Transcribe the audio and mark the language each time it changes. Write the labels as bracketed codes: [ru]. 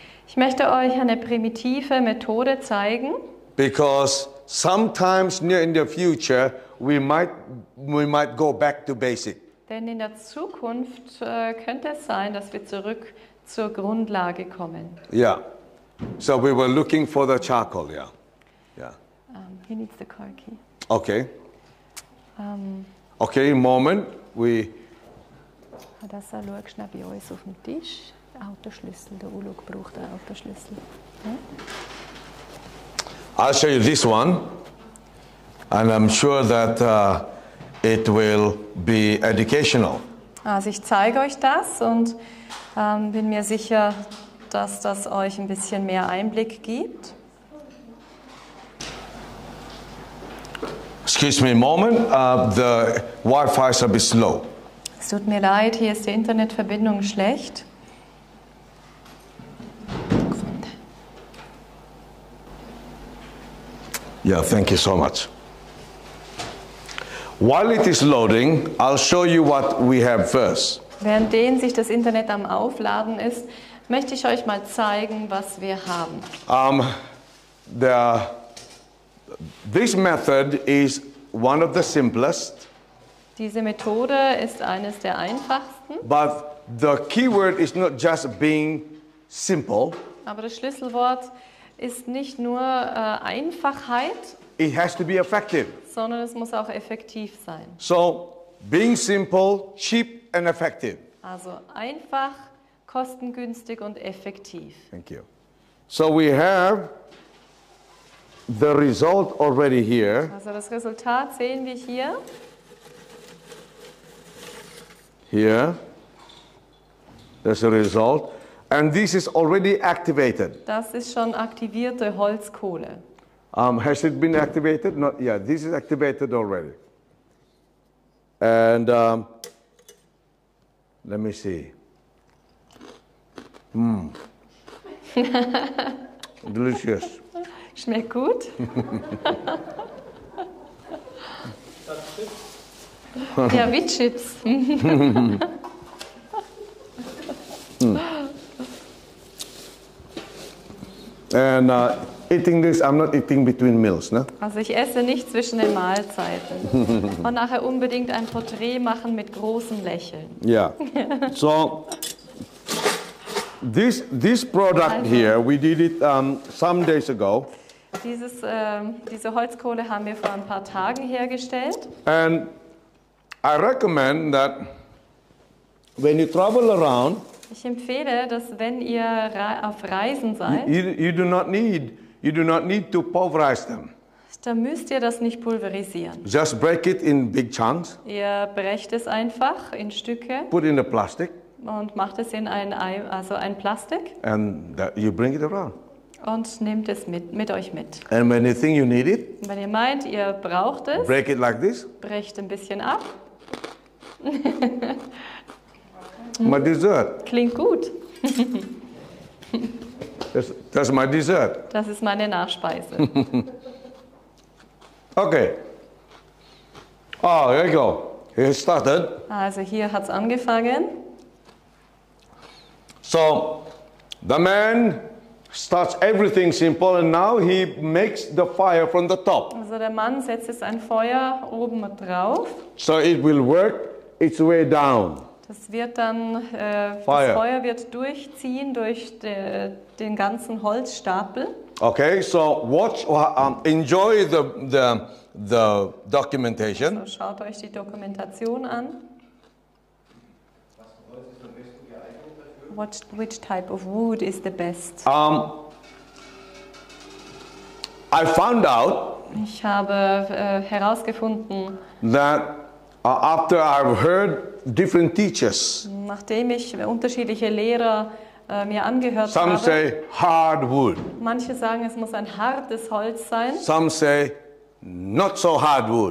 [de] Ich möchte euch eine primitive Methode zeigen. [en] Because sometimes near in the future we might go back to basic. [de] Denn in der Zukunft könnte es sein, dass wir zurück zur Grundlage kommen. [en] Yeah. So we were looking for the charcoal, yeah. Yeah. He needs the car key. Okay. Okay, moment. We. [de] Hadassah, schau, schnell bei uns auf dem Tisch. Autoschlüssel. Der Ulug braucht den Autoschlüssel. [en] Hm? I'll show you this one. And I'm sure that it will be educational. [de] Also ich zeige euch das und bin mir sicher, dass das euch ein bisschen mehr Einblick gibt. [en] Excuse me a moment, the Wi-Fi is a bit slow. [de] Es tut mir leid, hier ist die Internetverbindung schlecht. [en] Yeah, thank you so much. While it is loading, I'll show you what we have first. [de] Währenddem sich das Internet am Aufladen ist, möchte ich euch mal zeigen, was wir haben. [en] This method is one of the simplest. [de] Diese Methode ist eines der einfachsten. [en] But the keyword is not just being simple. [de] Aber das Schlüsselwort ist nicht nur Einfachheit. [en] It has to be effective. [de] Sondern es muss auch effektiv sein. [en] So, being simple, cheap and effective. [de] Also einfach, kostengünstig und effektiv. [en] Thank you. So we have the result already here. [de] Also das Resultat sehen wir hier. [en] Here. There's a result. And this is already activated. [de] Das ist schon aktivierte Holzkohle. [en] Has it been activated? Not yet. This is activated already. And let me see. Delicious. [de] Schmeckt gut. Ja, wie Chips. [en] And eating this, I'm not eating between meals, ne? [de] Also ich esse nicht zwischen den Mahlzeiten. Und nachher unbedingt ein Porträt machen mit großem Lächeln. Ja. Yeah. [en] So, this product also, here, we did it some days ago. [de] Diese Holzkohle haben wir vor ein paar Tagen hergestellt. [en] And I recommend that when you travel around, [de] ich empfehle, dass wenn ihr auf Reisen seid, [en] you do not need to pulverize them. [de] Da müsst ihr das nicht pulverisieren. [en] Just break it in big chunks. [de] Ihr brecht es einfach in Stücke. [en] Put in the plastic. [de] Und macht es in ein Plastik. [en] And that you bring it around. [de] Und nehmt es mit euch mit. [en] And when you think you need it, [de] wenn ihr meint, ihr braucht es, [en] break it like this. [de] Brecht ein bisschen ab. [en] My dessert. [de] Klingt gut. [en] That's my dessert. [de] Das ist meine Nachspeise. [en] Okay. Oh, there you go. It started. [de] Also hier hat's angefangen. [en] So, the man starts everything simple and now he makes the fire from the top. [de] Also der Mann setzt jetzt ein Feuer oben drauf. [en] So it will work its way down. [de] Das wird dann das Feuer wird durchziehen durch den ganzen Holzstapel. [en] Okay, so watch enjoy the documentation. [de] Also schaut euch die Dokumentation an. [en] Which type of wood is the best? I found out. [de] Ich habe herausgefunden. [en] That after I've heard different teachers. [de] Nachdem ich unterschiedliche Lehrer mir angehört [en] some [de] habe. [en] Some say hard wood. [de] Manche sagen, es muss ein hartes Holz sein. [en] Some say not so hard wood.